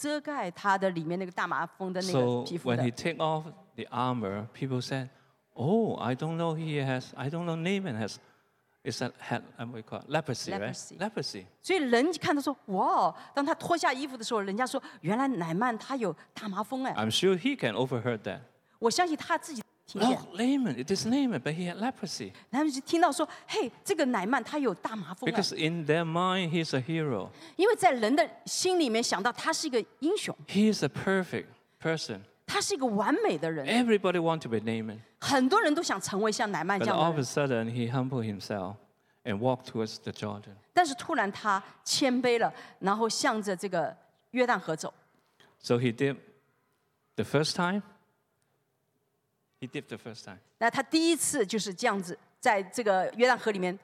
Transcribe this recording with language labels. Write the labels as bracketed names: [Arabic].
[Chinese] 你要知道这个军装其实是遮盖他的里面那个大麻风的那个皮肤的。 [English] So when he take off the armor, people said, "Oh, I don't know he has. I don't know Naaman has. Is that had what we call leprosy, right? Leprosy." [Chinese] 所以人看到说, "Wow!" 当他脱下衣服的时候，人家说，原来乃曼他有大麻风哎。 [English] I'm sure he can overheard that. [Chinese] 我相信他自己。 [English] Oh, Naaman, it is Naaman, but he had leprosy. [Chinese] 他们就听到说, hey, 这个乃曼他有大麻风啊。 [English] Because in their mind, he's a hero. [Chinese] 因为在人的心里面想到他是一个英雄。 [English] He is a perfect person. [Chinese] 他是一个完美的人。 [English] Everybody wants to be Naaman. [Chinese] 很多人都想成为像乃曼这样的人。 [English] But all of a sudden, he humbled himself and walked towards the Jordan. [Chinese] 但是突然他谦卑了, 然后向着这个约旦河走。 [English] So he did the first time. He dipped the first time. [Chinese] 那他第一次就是这样子，在这个约旦河里面。